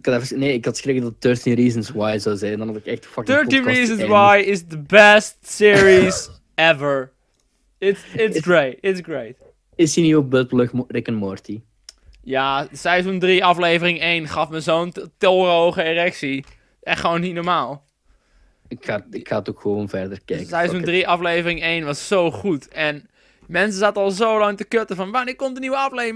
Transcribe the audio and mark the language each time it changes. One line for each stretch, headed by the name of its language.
Dutch: Nee, ik had schrik dat 13 Reasons Why zou zijn. Dan had ik echt fucking
English: 13 Reasons Why is the best series ever. It's great.
Dutch: Is hij niet op Budplug Rick and Morty? Ja, seizoen 3, aflevering 1 gaf me zo'n torenhoge erectie. Echt gewoon niet normaal. Ik ga het ook gewoon verder kijken. Seizoen 3, aflevering 1 was zo goed. En mensen zaten al zo lang te kutten van wanneer komt de nieuwe aflevering?